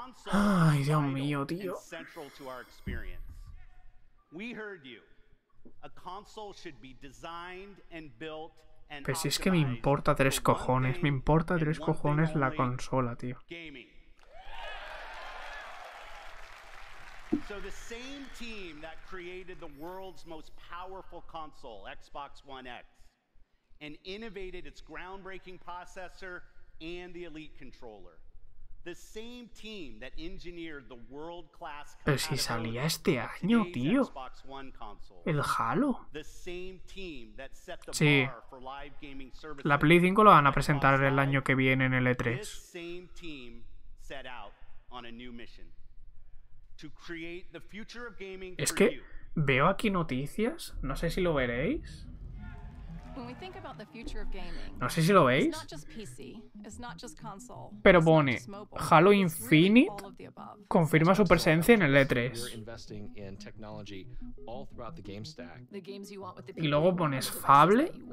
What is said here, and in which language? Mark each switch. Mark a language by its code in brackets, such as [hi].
[es] Ay, Dios mío, tío. [en] We heard you. A console should be designed and built. [es] Pero si es que me importa tres cojones la consola, tío. [en] So the same team that created the world's most powerful console, Xbox One X, and innovated its groundbreaking processor and the Elite controller. The same team that engineered the world-class Xbox One console. El Halo. The same team that set the bar for live gaming services. [es] La Play 5 lo van a presentar el año que viene en el E3. [en] This same team set out on a new mission. To create the future of gaming for you. [es] Es que veo aquí noticias, no sé si lo veréis. [en] When we think about the future of gaming, [es] no sé si lo veis. [en] It's not just PC, it's not just console, [es] pero pone Halo Infinite confirma su presencia en el E3. Y luego pones Fable.